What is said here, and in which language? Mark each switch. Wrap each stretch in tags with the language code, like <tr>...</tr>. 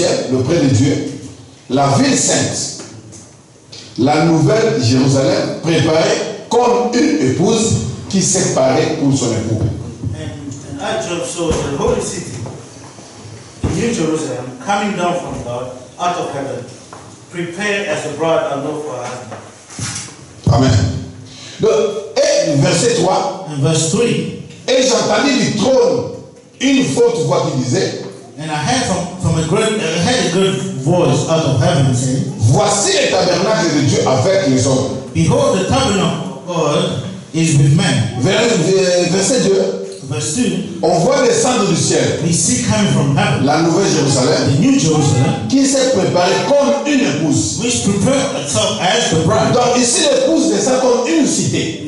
<fr>De près de Dieu, la ville sainte, la nouvelle Jérusalem préparée comme une épouse qui s'est parée pour son époux.</fr> <en>And I just saw the holy city, the new Jerusalem, coming down from God out of heaven, prepared as a bride adorned for her husband.</en> <fr>Amen. Donc, et verset 3,</fr> <en>and verse 3,</en> <fr>et j'entendis du trône une forte voix qui disait,</fr> <en>and I heard a great voice out of heaven saying,</en> <fr>voici le tabernacle de Dieu avec les hommes.</fr> <en>Behold, the tabernacle of God is with men.</en> <fr>Verset 2.</fr> <en>Verse 2.</en> <fr>On voit descendre du ciel.</fr> <en>We see coming from heaven.</en> <fr>La nouvelle Jérusalem.</fr> <en>The new Jerusalem.</en> <fr>Qui s'est préparée comme une épouse.</fr> <en>Which prepared itself as the bride.</en> <fr>Donc ici l'épouse descend comme une cité.</fr>